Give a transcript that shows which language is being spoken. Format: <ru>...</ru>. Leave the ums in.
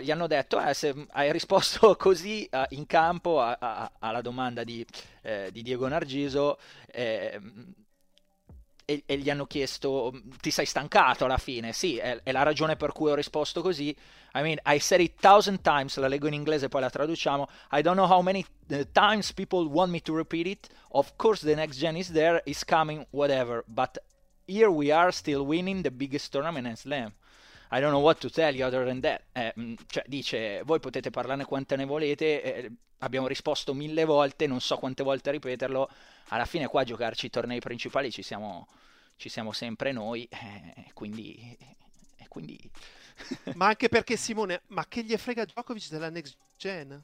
<it>Gli hanno detto, eh, se hai risposto così a- in campo a- a- alla domanda di, eh, di Diego Nargiso, ehm, e, e gli hanno chiesto, ti sei stancato alla fine? Sì, è, è la ragione per cui ho risposto così.</it> <en>I mean, I said it thousand times,</en> <it>la leggo in inglese poi la traduciamo.</it> <en>I don't know how many eh, times people want me to repeat it. Of course the next gen is there, is coming, whatever. But here we are still winning the biggest tournament in Slam. I don't know what to tell you other than that.</en> <it>Eh, mh, cioè, dice, voi potete parlarne quante ne volete, eh, abbiamo risposto mille volte, non so quante volte ripeterlo. Alla fine qua a giocarci i tornei principali ci siamo, ci siamo sempre noi, eh, quindi... e quindi... Ma anche perché Simone, ma che gli frega Djokovic della next gen?</it>